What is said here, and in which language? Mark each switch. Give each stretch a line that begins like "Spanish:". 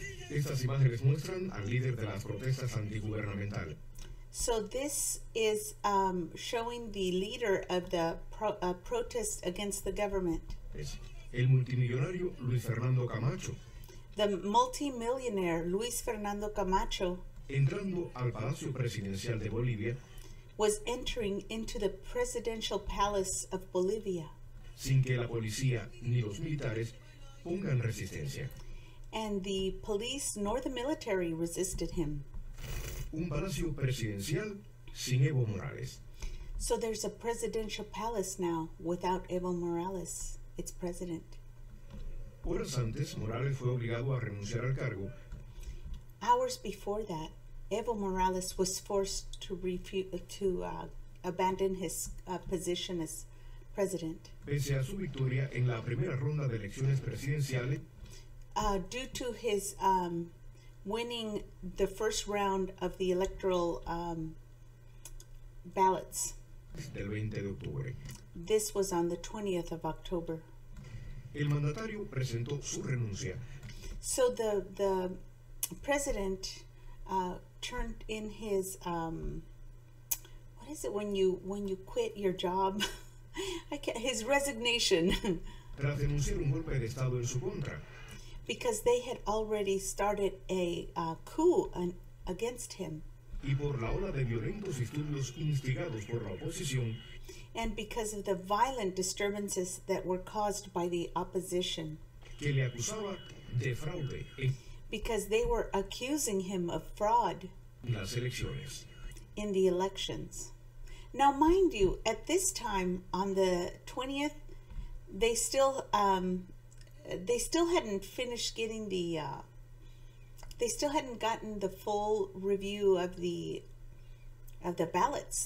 Spanish: Estas imágenes muestran al líder de las protestas antigubernamentales.
English: So this is showing the leader of the protest against the government.
Spanish: El multimillonario Luis Fernando Camacho.
English: The multimillionaire Luis Fernando Camacho.
Spanish: Entrando al Palacio Presidencial de Bolivia.
English: Was entering into the presidential palace of Bolivia.
Spanish: Sin que la policía ni los militares pongan resistencia.
English: And the police nor the military resisted him.
Spanish: Un Palacio Presidencial sin Evo Morales.
English: So there's a presidential palace now without Evo Morales. Its president.
Spanish: Horas antes, Morales fue obligado a renunciar al cargo.
English: Hours before that, Evo Morales was forced to abandon his position as president.
Spanish: Pese a su victoria en la primera ronda de elecciones presidenciales,
English: due to his winning the first round of the electoral ballots.
Spanish: Del 20 de octubre.
English: This was on the 20th of October.
Spanish: El mandatario presentó su renuncia.
English: So the president turned in his what is it when you quit your job? I can't, his resignation.
Spanish: Tras denunciar un golpe de estado en su contra.
English: Because they had already started a coup against him.
Spanish: Y por la ola de violentos disturbios instigados por la oposición.
English: And because of the violent disturbances that were caused by the opposition.
Spanish: Que le acusaba de fraude.
English: Because they were accusing him of fraud.
Spanish: Las elecciones.
English: In the elections. Now, mind you, at this time, on the 20th, they still hadn't finished getting the, they still hadn't gotten the full review of the ballots.